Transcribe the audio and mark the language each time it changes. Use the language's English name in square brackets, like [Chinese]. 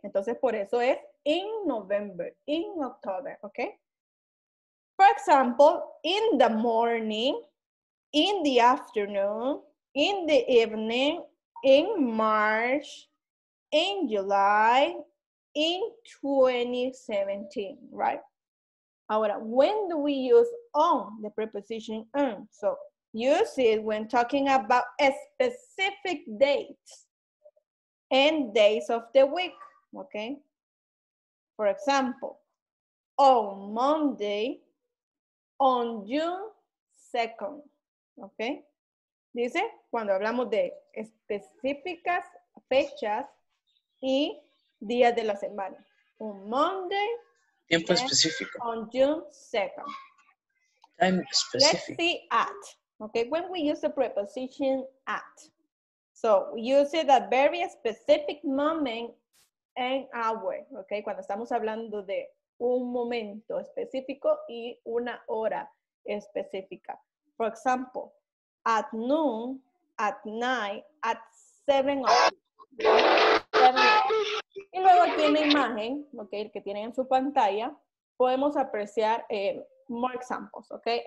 [Spanish] Entonces, por eso es [English] in November, in October, ¿ok? For example, in the morning, in the afternoon, in the evening, in March, in July, in 2017, right? Ahora, when do we use on, the preposition on? So, use it when talking about a specific date and days of the week, okay? For example, on Monday, on June 2nd, okay? [Spanish] Dice, cuando hablamos de específicas fechas y días de la semana. [English] On Monday, [Spanish] tiempo específico. [English] On June 2nd. Time specific. Let's see at, okay? When we use the preposition at. So, use it at very specific moment and hour, okay? [Spanish] Cuando estamos hablando de un momento específico y una hora específica. [English] For example, at noon, at night, at 7 o'clock. [Spanish] Y luego aquí en la imagen, okay, el que tienen en su pantalla, podemos apreciar [English] more examples, [Spanish] okay?